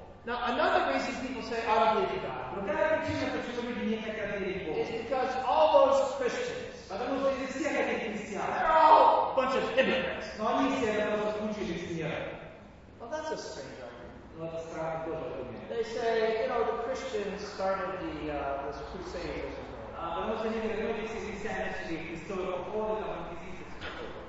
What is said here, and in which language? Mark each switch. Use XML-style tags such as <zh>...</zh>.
<en>Now another reason people say I don't believe in God.</en> <ru>Другая причина, почему люди не хотят верить в Бога.</ru> <en>Is because all those Christians.</en> <ru>Потому что все эти христиане.</ru> <en>They're all a bunch of hypocrites.</en> <ru>Но они все просто куча лицемеров.</ru> <en>Well, that's a strange argument.</en> <ru>Но это странный Бог.</ru> <en>They say, you know, the Christians started the this crusade.</en> <ru>Потому что некоторые люди все христиане начали крестовые походы, там инквизиции.</ru>